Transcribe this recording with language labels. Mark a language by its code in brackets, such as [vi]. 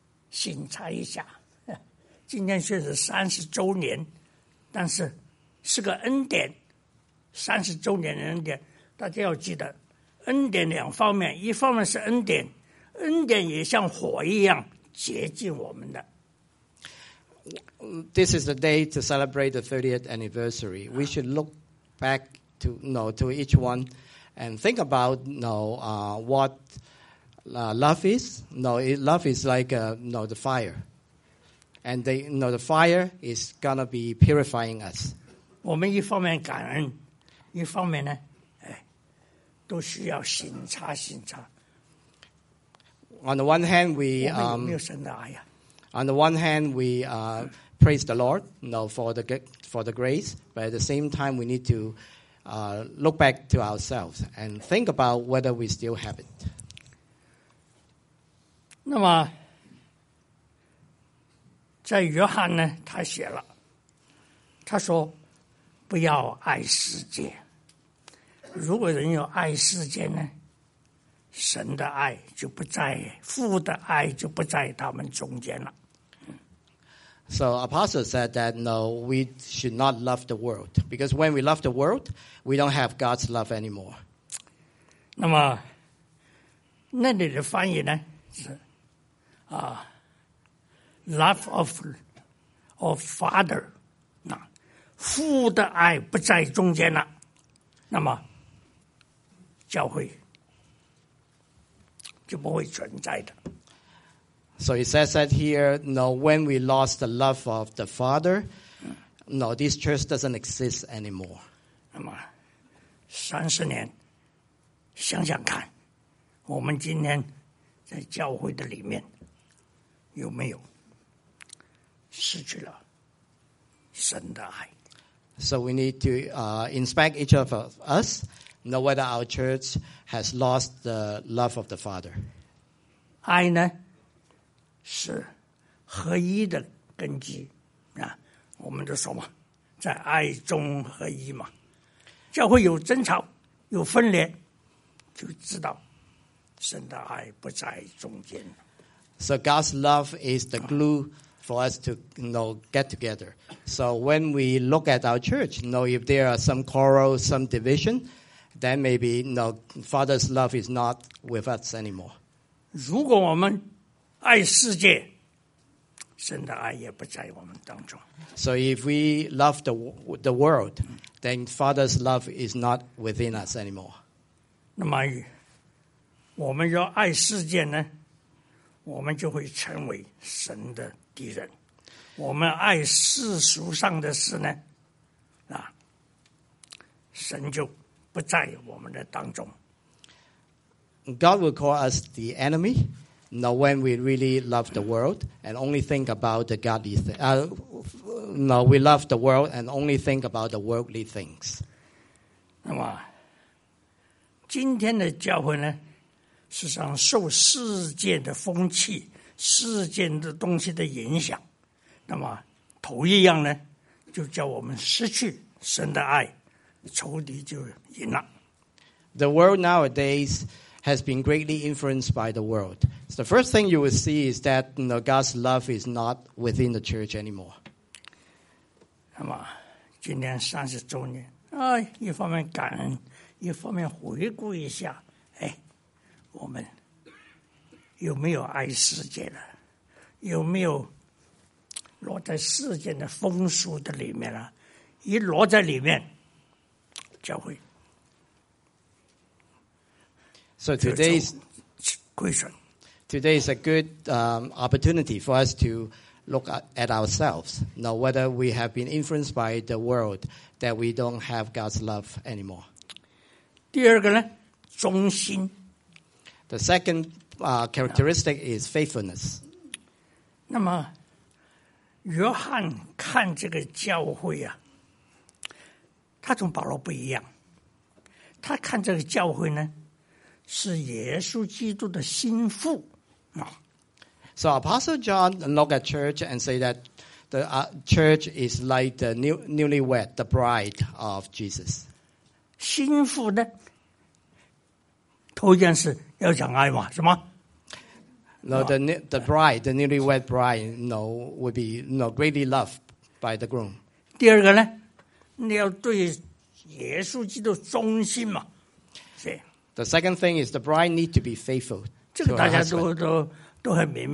[zh] 省察一下，今天虽是三十周年，但是是个恩典，三十周年的恩典。大家要记得，恩典两方面，一方面是恩典，恩典也像火一样洁净我们的。 [en] This is the day to celebrate the 30th anniversary. We should look back to each one and think about what love is. Love is like the fire, and the fire is gonna be purifying us. [zh] 我们一方面感恩，一方面呢？都需要审查审查。 [en] On the one hand, we [zh] 我们有没有神的爱呀。 [en] On the one hand, we praise the Lord, for the grace. But at the same time, we need to look back to ourselves and think about whether we still have it. [zh] 那么，在约翰呢，他写了，他说不要爱世界。如果人有爱世界呢，神的爱就不在，父的爱就不在他们中间了。 [en] So Apostle said that no, we should not love the world because when we love the world, we don't have God's love anymore. [zh] 那么那里的翻译呢是 [en] love of father, [zh] 那父的爱不在中间了，那么。教会就不会存在的。 [en] So it says that here, no, when we lost the love of the Father, no, this church doesn't exist anymore. [zh] 30年, 想想看, 我们今天在教会的里面, 有没有, 失去了, 神的爱。 [en] So we need to inspect each of us, know whether our church has lost the love of the Father. [zh] 爱呢? 是合一的根基, 啊, 我们都说嘛, 在爱中合一嘛。教会有争吵, 有分裂, 就知道神的爱不在中间。 [en] So God's love is the glue for us to, you know, get together. So when we look at our church, you know, if there are some quarrels, some division, then maybe, you know, Father's love is not with us anymore. [zh] 如果我们爱世界, 神的爱也不在我们当中。 [en] So if we love the world, then Father's love is not within us anymore. [zh] 那么我们要爱世界呢, 我们就会成为神的敌人。我们爱世俗上的事呢, 啊, 神就不在我们的当中。 [en] God will call us the enemy. Now, when we really love the world and only think about the godly things, we love the world and only think about the worldly things. [zh] 今天的教会呢, 实际上受世界的风气、世界的东西的影响, 那么头一样呢, 就叫我们失去神的爱, 仇敌就赢了。 [en] The world nowadays has been greatly influenced by the world. So the first thing you will see is that, you know, God's love is not within the church anymore. [zh] 那么今年30周年, 一方面感恩, 一方面回顾一下, 我们有没有爱世界呢? 有没有落在世界的风俗的里面呢? 一落在里面, 教会。 [en] So today is a good opportunity for us to look at ourselves, know whether we have been influenced by the world that we don't have God's love anymore. [zh] 第二个呢, 忠心。 [en] The second characteristic is faithfulness. [zh] 那么约翰看这个教会啊, 他跟保罗不一样, 他看这个教会呢, 是耶稣基督的心腹, [en] So Apostle John looked at church and said that the church is like the newlywed, the bride of Jesus. [zh] 心腹呢, 头一件事要讲爱嘛, 是吗? [en] No, the bride, the newlywed bride, no, would be, no, greatly loved by the groom. [zh] 第二个呢, 你要对耶稣基督忠心嘛, 是。 [en] The second thing is the bride need to be faithful to her husband.